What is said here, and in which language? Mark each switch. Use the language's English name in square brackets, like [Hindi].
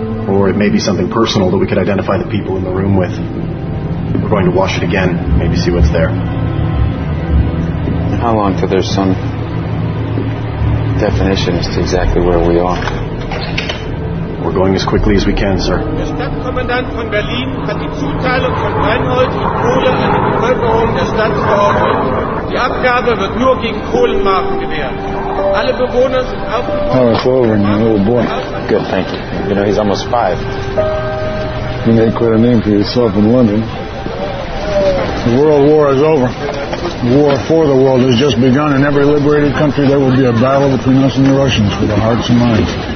[English] or it may be something personal that we could identify the people in the room with. We're going to wash it again, maybe see what's there. How long till there's some definition as to exactly where we are? We're going as quickly as we can, sir. [German] Der Stadtkommandant von Berlin hat die Zuteilung von Reinhold und Kohle an die Bevölkerung der Stadt verordnet. Die Abgabe wird nur gegen Kohlenmarken gewährt. Alle Bewohner sind aufgefordert. [English] Oh, it's over and you're a little boy. Good, thank you. You know, he's almost five. You made quite a name for yourself in London. The World War is over. The war for the world has just begun. In every liberated country, there will be a battle between us and the Russians for the hearts and minds.